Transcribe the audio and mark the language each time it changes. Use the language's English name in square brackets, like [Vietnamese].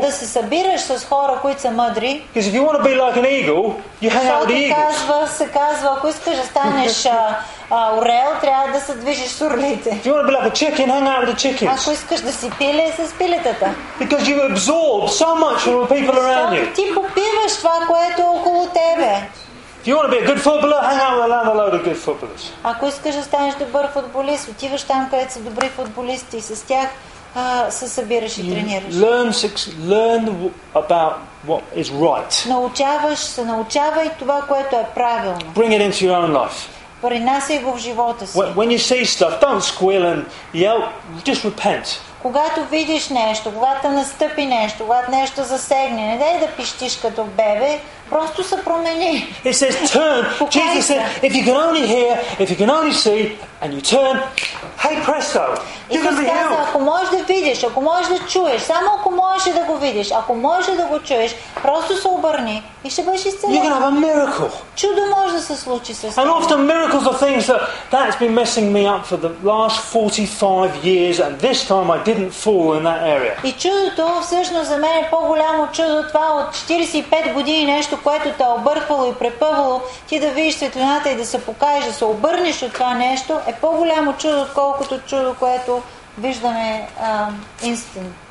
[Bulgarian] Да се събираш с хора, които са мъдри. [English] Because if you want to be like an eagle, you hang out with eagles. [Bulgarian] Се казва, ако искаш да станеш орел, трябва да се движиш с орлите. [English] If you want to be like a chicken, hang out with the chickens. [Bulgarian] Ако искаш да си пиле, с пилетата. [English] Because you absorb so much from the people around you. [Bulgarian] Ти попиваш това, което е около тебе. [English] If you want to be a good footballer, hang out with a load of good footballers. [Bulgarian] Ако искаш да станеш добър футболист, отиваш там, където са добри футболисти и с тях се събираш и тренираш. [English] Learn about what is right. [Bulgarian] Научавай това, което е правилно. [English] Bring it into your own life. [Bulgarian] Принасяй го в живота си. [English] When you see stuff, don't squeal and yell, just repent. [Bulgarian] Когато видиш нещо, когато настъпи нещо, когато нещо засегне, не дай да пищиш като бебе, просто се промени. [English] It says turn. Jesus said, if you can only hear, if you can only see, and you turn, hey presto, you're going to be healed. [Bulgarian] Ако можеш да видиш, ако можеш да чуеш, само ако можеш да го видиш, ако можеш да го чуеш, просто се обърни и ще бъдеш изцелен. [English] You're going to have a miracle. [Bulgarian] Чудо може да се случи с теб. [English] And often miracles are things that has been messing me up for the last 45 years, and this time I didn't fall in that area. [Bulgarian] И чудото всъщност за мен е по-голямо чудо това от 45 години нещо, което те обърквало и препъвало, ти да видиш светлината и да се покаеш, да се обърнеш от това нещо, е по-голямо чудо, отколкото чудо, което виждаме instant.